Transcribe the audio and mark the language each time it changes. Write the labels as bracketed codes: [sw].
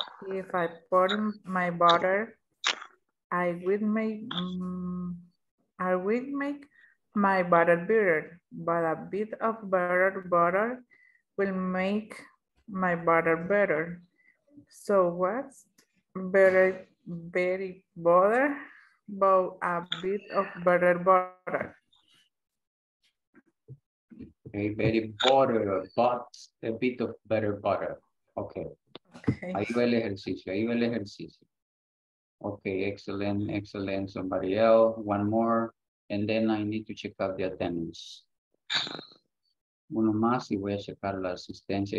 [en] If I put in my butter, I will make my butter bitter, but a bit of buttered butter will make my butter better. So what's better, Betty butter? About a bit of butter, butter. Okay, very butter, but a bit of butter, butter. Okay. Okay. [es] Ahí va el ejercicio, ahí va el ejercicio. [en] Okay, excellent, excellent. Somebody else, one more. And then I need to check out the attendance. [es] Uno más y voy a checar la asistencia.